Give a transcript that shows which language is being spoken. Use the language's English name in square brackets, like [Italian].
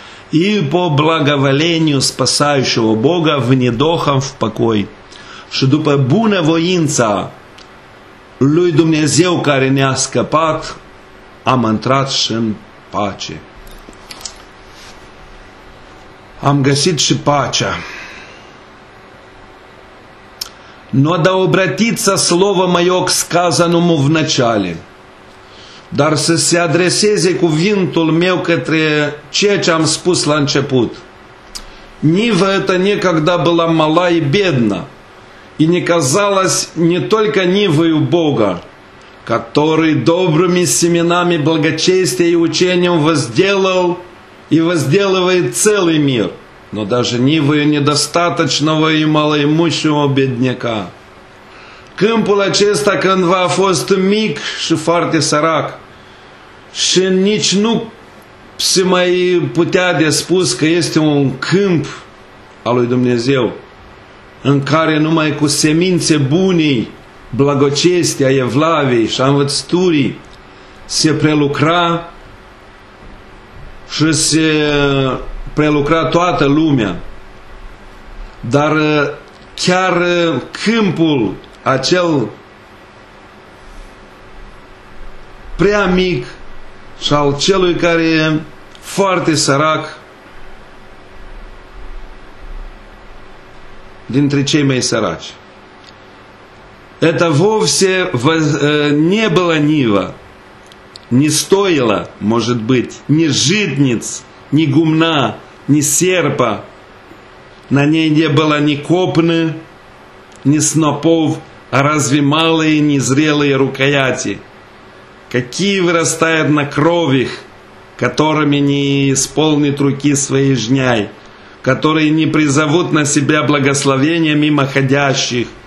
[Russian] И по благоволению спасающего Бога в недохом в покой. [Romanian] Și după bună voință lui Dumnezeu care ne-a scăpat, am intrat și în pace. Am găsit și pacea. [Russian] Но да обратиться слово мое к сказанному в начале. [Romanian] Dar să se adreseze cuvântul meu către ceea ce am spus la început. [Russian] Нива это некогда была мала и бедна, и не казалась не только Нивою Бога, который добрыми семенами благочестия и учением возделал и возделывает целый мир, но даже Нивою недостаточного и малоимущего бедняка. [Romanian] Câmpul acesta cândva a fost mic și foarte sărac și nici nu se mai putea de spus că este un câmp al lui Dumnezeu în care numai cu semințe bune, blagocestea, evlaviei și a învățăturii se prelucra și se prelucra toată lumea. Dar chiar câmpul acel prea mic și al celui care e foarte sărac dintre cei mai săraci. [Russian] Это вовсе не было нива, не стоило, может быть, ни житниц, ни гумна, ни серпа. На ней не было ни копны, ни снопов, а разве малые незрелые рукояти, какие вырастают на кровях, которыми не исполнит руки своей жняй, которые не призовут на себя благословения мимоходящих.